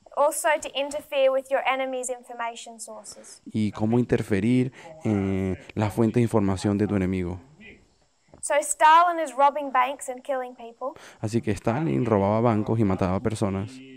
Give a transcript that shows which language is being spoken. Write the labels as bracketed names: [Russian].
[English] Also to interfere with your enemy's information sources. [Spanish] Y cómo interferir en la fuente de información de tu enemigo. [English] So Stalin is robbing banks and killing people. [Spanish] Así que Stalin robaba bancos y mataba personas.